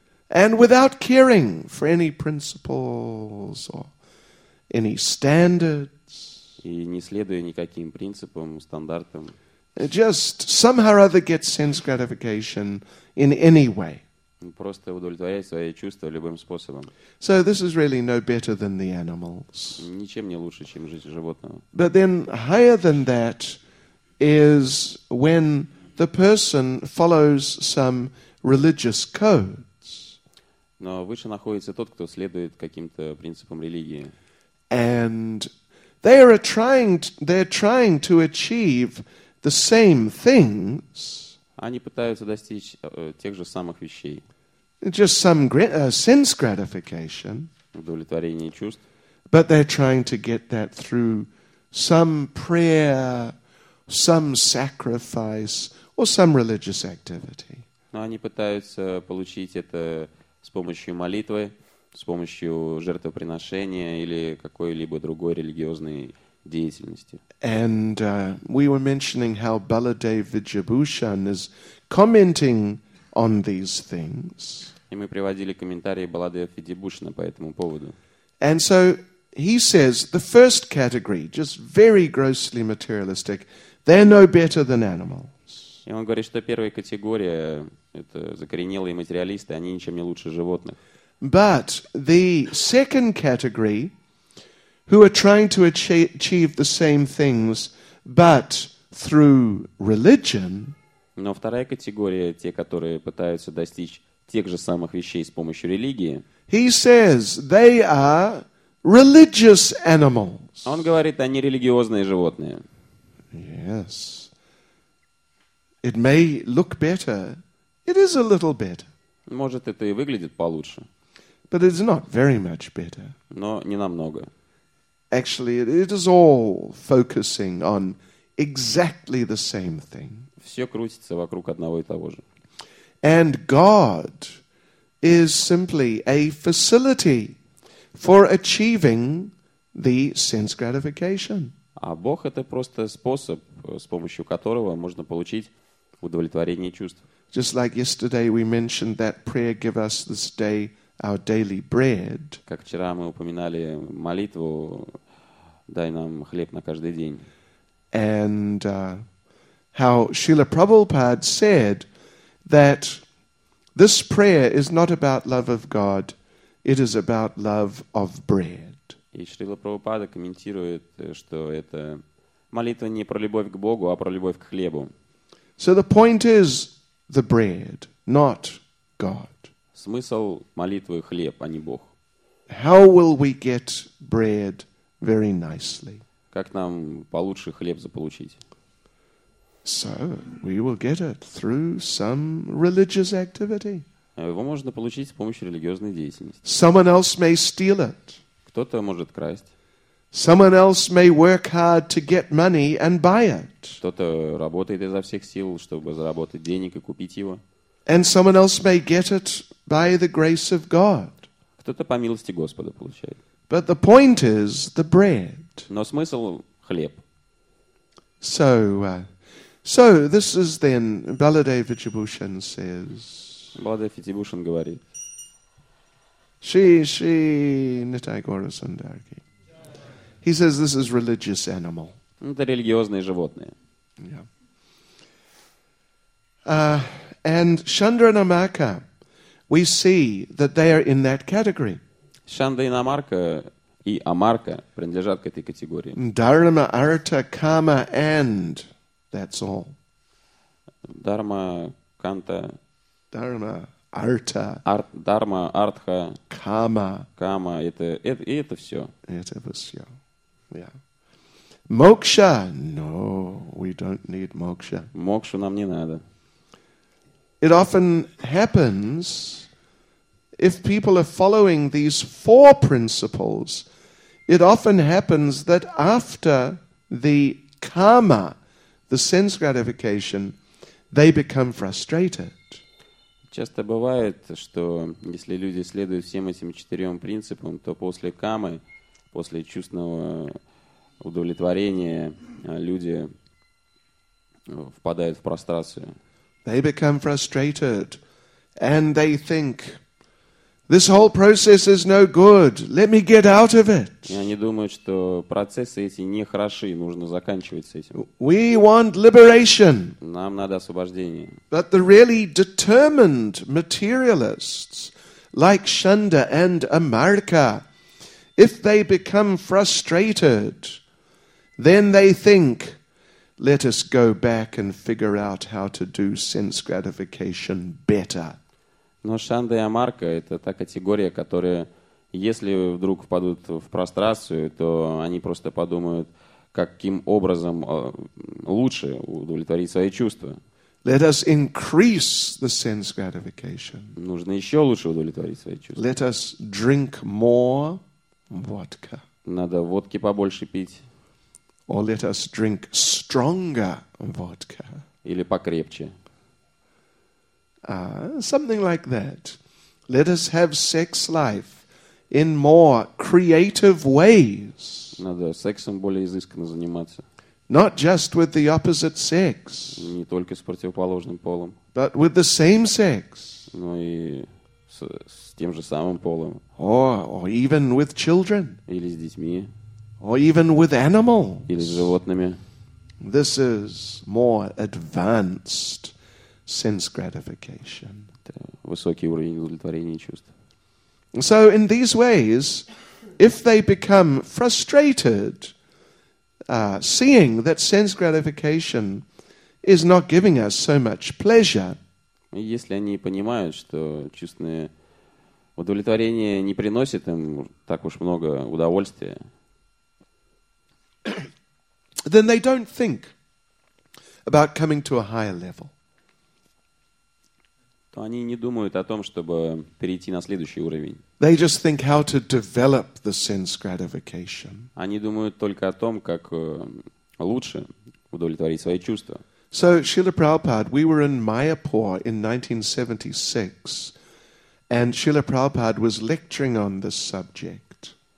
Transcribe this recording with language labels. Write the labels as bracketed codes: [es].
[en] And without caring for any principles or any standards. [ru] И не следуя никаким принципам, стандартам. [en] Just somehow or other get sense gratification in any way. [ru] Просто удовлетворяя свои чувства любым способом. [en] So this is really no better than the animals. [ru] Ничем не лучше, чем жизнь животного. [en] But then higher than that is when the person follows some religious codes. [ru] Но выше находится тот, кто следует каким-то принципам религии. [en] And they are trying to achieve the same things. [ru] Они пытаются достичь тех же самых вещей. [en] Just some sense gratification. [ru] Удовлетворение чувств. [en] But they're trying to get that through some prayer, some sacrifice, or some religious activity. [ru] Но они пытаются получить это с помощью молитвы, с помощью жертвоприношения или какой-либо другой религиозной деятельности. [en] And we were mentioning how Baladev Vidyabhushan is commenting on these things. [ru] И мы приводили комментарии Баладева Видьябхушана по этому поводу. [en] And so he says the first category, just very grossly materialistic, they're no better than animals. [ru] И он говорит, что первая категория — это закоренелые материалисты, они ничем не лучше животных. [en] But the second category, who are trying to achieve the same things, but through religion. [ru] Но вторая категория, те, которые пытаются достичь тех же самых вещей с помощью религии. [en] He says they are religious animals. [ru] Он говорит, они религиозные животные. [en] Yes. It may look better. It is a little better. [ru] Может, это и выглядит получше. [en] But it's not very much better. [ru] Но не намного. [en] Actually, it is all focusing on exactly the same thing. [ru] Все крутится вокруг одного и того же. [en] And God is simply a facility for achieving the sense gratification. [ru] А Бог это просто способ, с помощью которого можно получить удовлетворение чувств. [en] Just like yesterday we mentioned that prayer, give us this day our daily bread. [ru] Как вчера мы упоминали молитву, дай нам хлеб на каждый день. [en] And how Srila Prabhupada said that this prayer is not about love of God, it is about love of bread. [ru] И Шрила Прабхупада комментирует, что это молитва не про любовь к Богу, а про любовь к хлебу. [en] So the point is the bread, not God. [ru] Смысл молитвы хлеб, а не Бог. [en] How will we get bread very nicely? [ru] Как нам получше хлеб заполучить? [en] So we will get it through some religious activity. [ru] Его можно получить с помощью религиозной деятельности. [en] Someone else may steal it. [ru] Кто-то может красть. [en] Someone else may work hard to get money and buy it. [ru] Кто-то работает изо всех сил, чтобы заработать денег и купить его. [en] And someone else may get it by the grace of God. [ru] Кто-то по милости Господа получает. [en] But the point is the bread. [ru] Но смысл хлеб. [en] So this is then Baladev Vidyabhushan says. [ru] Baladev Vidyabhushan говорит. [bn] Shri Nitai Gaura Sundar ki. [en] He says this is religious animal. [ru] Это религиозные животные. Yeah. [en] And Chandra Namaka, we see that they are in that category. [ru] Chandra Namaka и Amarka принадлежат к этой категории. [en] Dharma, Artha, Kama and that's all. [sa] Dharma, Kanta. Dharma, Artha. Dharma, Artha. Kama. [ru] Kama. Это все. Это все. Yeah. Moksha. [en] No, we don't need moksha. [ru] Мокшу нам не надо. [en] It often happens if people are following these four principles, it often happens that after the kama, the sense gratification, they become frustrated. [ru] Часто бывает, что если люди следуют всем этим четырем принципам, то после камы, после чувственного удовлетворения, люди впадают в прострацию. [en] They become frustrated and they think, this whole process is no good. Let me get out of it. [ru] Они думают, что процессы эти не хороши, нужно заканчивать с этим. [en] We want liberation. [ru] Нам надо освобождение. [en] But the really determined materialists, like Chandra and Amarka, if they become frustrated, then they think, let us go back and figure out how to do sense gratification better. [ru] Но Шанда и Амарка – это та категория, которая, если вдруг впадут в прострацию, то они просто подумают, каким образом лучше удовлетворить свои чувства. [en] Let us increase the sense gratification. [ru] Нужно еще лучше удовлетворить свои чувства. [en] Let us drink more vodka. [ru] Надо водки побольше пить. [en] Or let us drink stronger vodka. [ru] Или покрепче. [en] Something like that. Let us have sex life in more creative ways. [ru] Надо сексом более изысканно заниматься. [en] Not just with the opposite sex. [ru] Не только с противоположным полом. [en] But with the same sex. [ru] Ну и с тем же самым полом. [en] Or even with children. [ru] Или с детьми. [en] Or even with animals. [ru] Или с животными. [en] This is more advanced sense gratification. [ru] Высокий уровень удовлетворения чувств. [en] So in these ways, if they become frustrated, seeing that sense gratification is not giving us so much pleasure. [ru] Если они понимают, что чувственное удовлетворение не приносит им так уж много удовольствия, [en] then they don't think about coming to a higher level. [ru] То они не думают о том, чтобы перейти на следующий уровень. [en] They just think how to develop the sense gratification. [ru] Они думают только о том, как лучше удовлетворить свои чувства. [en] So, Srila Prabhupada, we were in Mayapur in 1976, and Srila Prabhupada was lecturing on this subject.